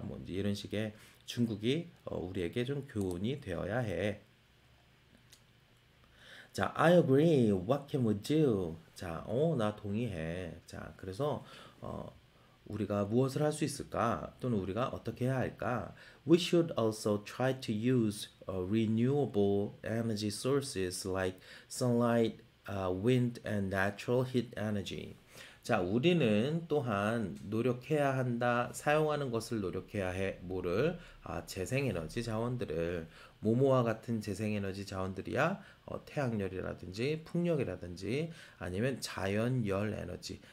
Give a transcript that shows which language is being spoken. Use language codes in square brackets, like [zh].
[ko] 뭐 이제 이런 식의 중국이 우리에게 좀 교훈이 되어야 해. [en] 자, I agree. What can we do? 자, [ko] 나 동의해. 자, 그래서 우리가 무엇을 할수 있을까? 또는 우리가 어떻게 해야 할까? [en] We should also try to use renewable energy sources like sunlight, wind, and natural heat energy. [ko] 자, 우리는 또한 노력해야 한다. 사용하는 것을 노력해야 해. 뭐를? 아, 재생에너지 자원들을. 뭐뭐와 같은 재생에너지 자원들이야? 태양열이라든지 풍력이라든지 아니면 자연열 에너지.